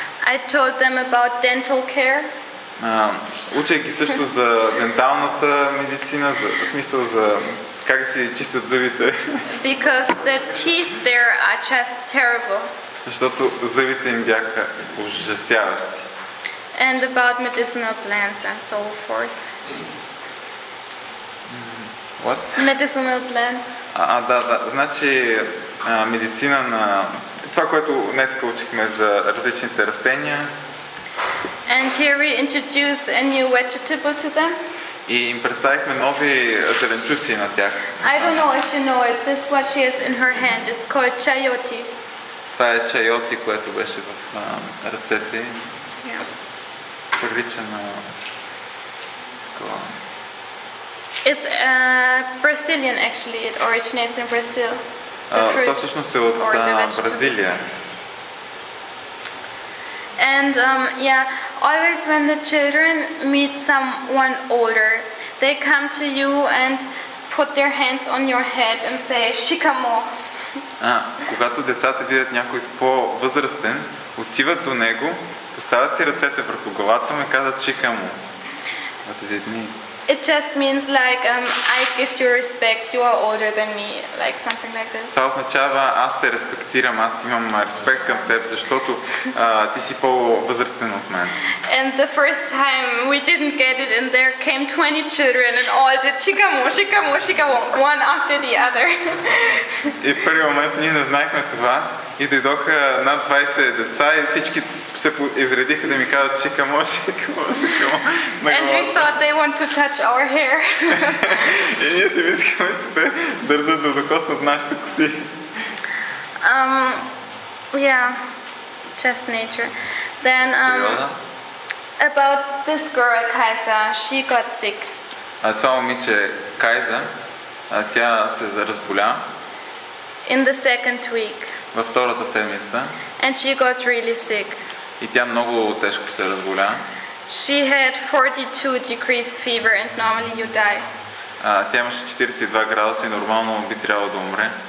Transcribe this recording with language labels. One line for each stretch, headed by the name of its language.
English: I told them about dental care.
Bulgarian: Учейки също за денталната медицина, в смисъл за как си чистят зъбите.
English: Because the teeth there are just terrible.
Bulgarian: Защото зъбите им бяха ужасяващи.
English: And about medicinal plants and so forth. What? Medicinal plants.
Bulgarian: Да. Значи медицина на това, което днес учихме за различните растения.
English: And here we introduce a new vegetable to them.
Bulgarian: И им представихме нови зеленчуци на тях.
English: I don't know if you know it. This is what she has in her hand. It's called chayote.
Bulgarian: Това е чайоти, което беше в ръцете. Прилича на
English: It's Brazilian actually. It originates in Brazil.
Bulgarian: То всъщност е от Бразилия.
English: And yeah, always when the children meet someone older, they come to you and put their hands on your head and say "Shikamo."
Bulgarian: Когато децата видят някой по-възрастен, отиват до него, поставят си ръцете върху главата му и казват "Shikamo." На тези дни.
English: It just means like I give you respect, you are older than me, like something like this.
Bulgarian: Това означава аз те респектирам, аз имам респект към теб, защото ти си по-възрастен от мен.
English: And the first time we didn't get it and there came 20 children and all did "Shikamo, shikamo, shikamo," one after the other.
Bulgarian: И в първи момент ние не знаехме това и дойдоха над 20 деца и всички се изредиха да ми казват "Shikamo, shikamo, shikamo."
English: And we thought they want to touch our hair.
Bulgarian: И ние си мислихме, че те държат да докоснат нашите коси.
English: Yeah, just nature. Then about this girl Kaisa, she got sick.
Bulgarian: А това момиче Кайза, тя се разболя.
English: In the second week.
Bulgarian: Във втората седмица.
English: And she got really sick.
Bulgarian: И тя много тежко се разболя.
English: She had 42 degrees fever and normally you die.
Bulgarian: Тя имаше 42 градуса и нормално би трябвало да умре.